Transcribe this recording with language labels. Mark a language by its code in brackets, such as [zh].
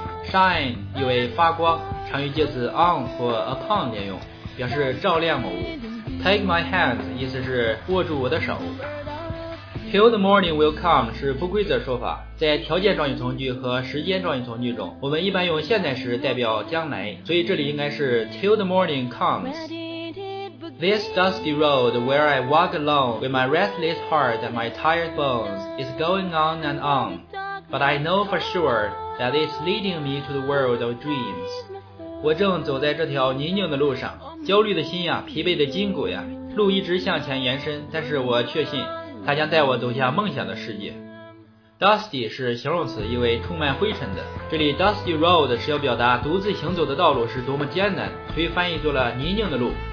[zh] Shine 意为发光，常于介词 on 或 upon 连用，表示照亮某物。 [en] Take my hand [zh] 意思是握住我的手。 [en] Till the morning will come [zh] 是不规则说法，在条件状语从句和时间状语从句中，我们一般用现在时代表将来，所以这里应该是 [en] Till the morning comes. This dusty road where I walk alone with my restless heart and my tired bones is going on and on, but I know for sure that it's leading me to the world of dreams. [zh] 我正走在这条泥泞的路上，焦虑的心呀，疲惫的筋骨呀，路一直向前延伸，但是我确信它将带我走向梦想的世界。 Dusty 是形容词，意为充满灰尘的。这里 Dusty Road 是要表达独自行走的道路是多么艰难，所以翻译做了泥泞的路。